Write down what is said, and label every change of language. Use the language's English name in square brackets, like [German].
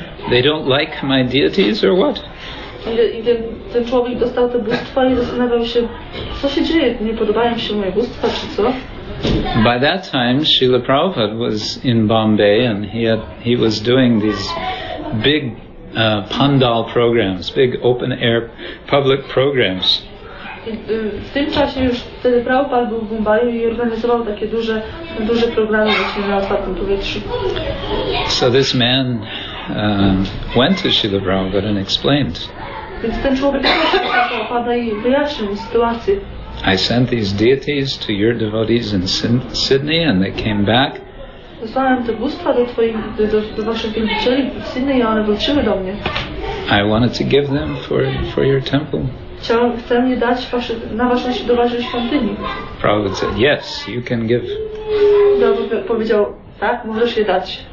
[English] They don't like my deities or what? [Polish] Ten człowiek dostał te bóstwa i zastanawiał się, co się dzieje, nie podobają się moje bóstwa czy co? [English] By that time, Srila Prabhupada was in Bombay and he was doing these big pandal programs, big open-air public programs. [Polish] W tym czasie już wtedy Prabhupada był w Mumbai i organizował takie duże programy właśnie na otwartym powietrzu. [English] So this man went to Srila Prabhupada and explained. [Polish] Więc ten człowiek poszedł do Prabhupada i wyjaśnił mu sytuację. [English] I sent these deities to your devotees in Sydney and they came back. [Polish] Wysłałem te bóstwa do waszych wielbicieli w Sydney i one wróciły do mnie. [English] I wanted to give them for your temple. [Polish] Chcę je dać na waszą do waszej świątyni. [English] Prabhupada said, yes, you can give. [Polish] Prabhupada powiedział, tak, możesz je dać.